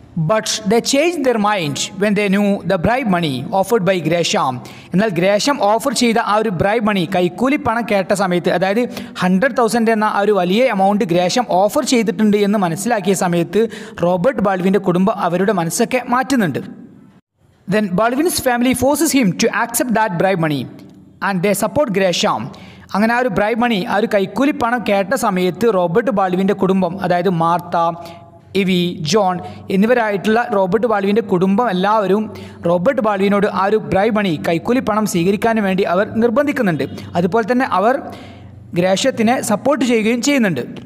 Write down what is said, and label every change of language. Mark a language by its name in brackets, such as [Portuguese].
[English] But the change their mind when the new the bribe money offered by Gresham. [Malayalam] എന്നാൽ ഗ്രേഷം offer ചെയ്ത ആ ഒരു bribe മണി, കൈക്കൂലി പണം കേട്ട സമയത്ത്, അതായത് 100,000 എന്ന ആ ഒരു വലിയ എമൗണ്ട് ഗ്രേഷം ഓഫർ ചെയ്തിട്ടുണ്ട് എന്ന് മനസ്സിലാക്കിയ സമയത്ത് റോബർട്ട് ബാൾവിൻ്റെ കുടുംബം അവരുടെ മനസ്സൊക്കെ മാറ്റുന്നുണ്ട്. [English] Then Baldwin's family forces him to accept that bribe money and they support Gresham. [Malayalam] അങ്ങനെ ആ ഒരു ബ്രൈബ് മണി, ആ ഒരു കൈക്കൂലി പണം കേട്ട സമയത്ത് റോബർട്ട് ബാൾവിൻ്റെ കുടുംബം, അതായത് മാർത്ത, എവി, ജോൺ എന്നിവരായിട്ടുള്ള റോബർട്ട് ബാൾവിൻ്റെ കുടുംബം എല്ലാവരും റോബർട്ട് ബാൾവിനോട് ആ ഒരു ബ്രൈബ് മണി, കൈക്കൂലി പണം സ്വീകരിക്കാനും വേണ്ടി അവർ നിർബന്ധിക്കുന്നുണ്ട്. അതുപോലെ തന്നെ അവർ ഗ്രേഷത്തിനെ സപ്പോർട്ട് ചെയ്യുകയും ചെയ്യുന്നുണ്ട്.